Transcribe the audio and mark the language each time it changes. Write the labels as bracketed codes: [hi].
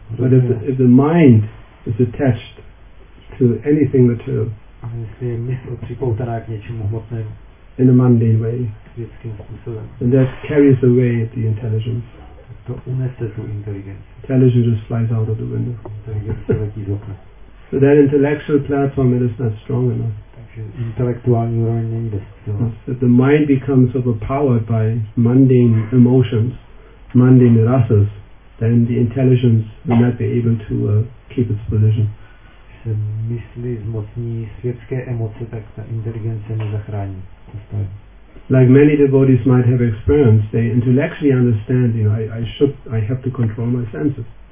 [en] But if the mind is attached to anything material, [cs] a jestli je mysl připoutaná k něčemu hmotnému, [en] in a mundane way, and that carries away the intelligence. [cs] To unese tu inteligenci. [en] Intelligence just flies out of the window. [cs] Intelligence letí z okna. [en] So that intellectual platform, it is not strong enough. [cs] Takže intelektuální úroveň není dost silná. [en] If the mind becomes overpowered by mundane emotions, mundane rasas, then the intelligence will not be able to keep its position. [cs] Když se myslí zmocní světské emoce, tak ta inteligence nezachrání. [en] Like many devotees might have experienced, they intellectually understand, you know, I have to control my senses.